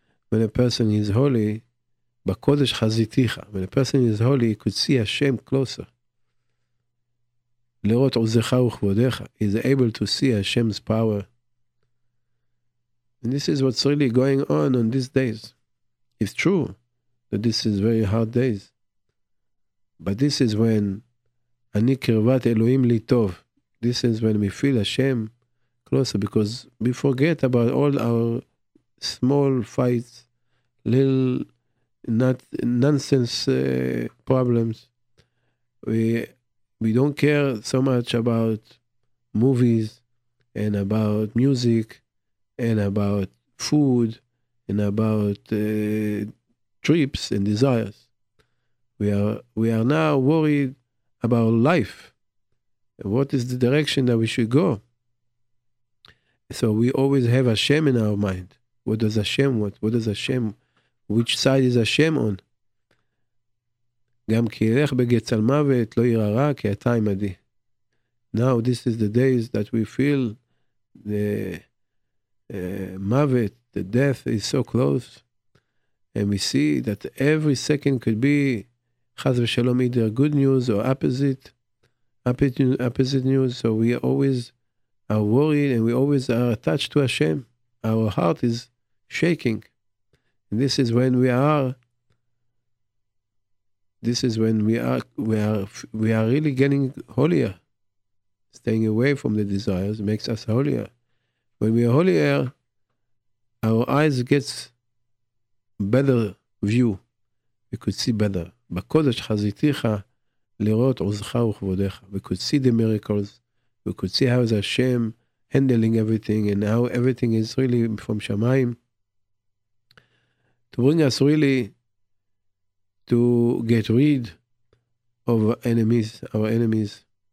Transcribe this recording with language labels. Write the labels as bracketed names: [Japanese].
[English] When a person is holy, [Hebrew] b'kodesh chaziticha, [English] when a person is holy, he could see Hashem closer. [Hebrew] לראות עוזך וכבודך. [English] He's able to see Hashem's power. And this is what's really going on these days. It's true that this is very hard days. But this is when [Hebrew] אני קרבת אלוהים לי טוב. [English] This is when we feel Hashem closer, because we forget about all our small fights, little nonsense problems. We don't care so much about movies and about music and about food and about trips and desires. We are now worried about life. What is the direction that we should go? So we always have Hashem in our mind. What does Hashem want? What does Hashem, which side is Hashem on? [Hebrew] גם כי ילך בגצל מוות לא ירא רע כי אתה עמדי. [English] Now this is the days that we feel the מוות, the death is so close, and we see that every second could be חס ושלום either good news or opposite news. So we always are worried and we always are attached to Hashem. Our heart is shaking. And this is when we are really getting holier. Staying away from the desires makes us holier. When we are holier, our eyes gets better view. We could see better. [Hebrew] בקודש חזיתיך לראות עוזך וכבודך. [English] We could see the miracles. We could see how the Hashem handling everything and how everything is really from Shamayim. To bring us really to get rid of our enemies.